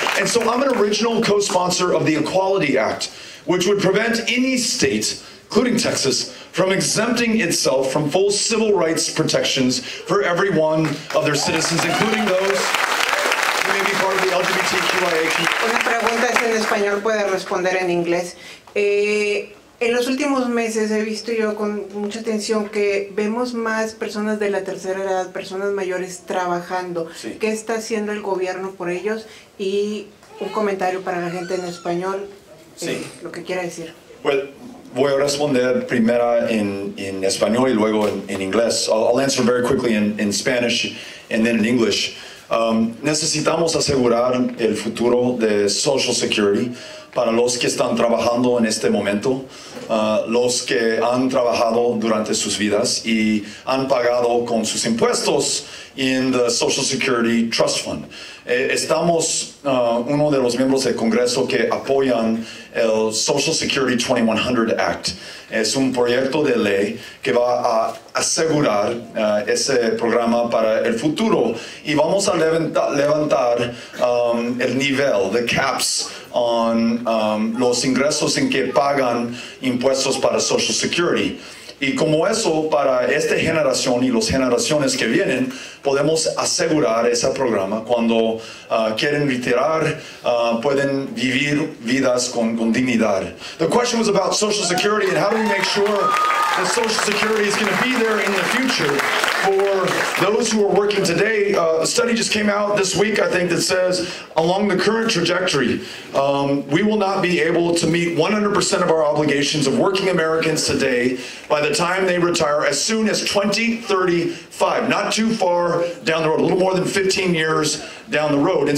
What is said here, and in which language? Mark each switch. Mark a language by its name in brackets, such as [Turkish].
[English] And so I'm an original co-sponsor of the Equality Act, which would prevent any state, including Texas, from exempting itself from full civil rights protections for every one of their citizens, including those who may be part of the LGBTQIA community. [Spanish] Una pregunta es en español, puede responder en inglés. En los últimos meses he visto yo con mucha atención que vemos más personas de la tercera edad, personas mayores, trabajando. Sí. ¿Qué está haciendo el gobierno por ellos? Y un comentario para la gente en español, sí. Lo que quiera decir. Well, voy a responder primero en español y luego en inglés. [English] I'll answer very quickly in Spanish and then in English. [Spanish] Necesitamos asegurar el futuro de Social Security para los que están trabajando en este momento. los que han trabajado durante sus vidas y han pagado con sus impuestos en the Social Security Trust Fund. Estamos uno de los miembros del Congreso que apoyan el Social Security 2100 Act. Es un proyecto de ley que va a asegurar ese programa para el futuro y vamos a levantar el nivel, the caps on los ingresos en que pagan impuestos para Social Security. Y como eso, para esta generación y las generaciones que vienen, podemos asegurar ese programa. Cuando quieren retirar, pueden vivir vidas con dignidad. [English] The question was about Social Security and how do we make sure that Social Security is going to be there in the future for those who are working today. A study just came out this week, I think, that says along the current trajectory, we will not be able to meet 100% of our obligations of working Americans today by the time they retire as soon as 2035, not too far down the road, a little more than 15 years down the road.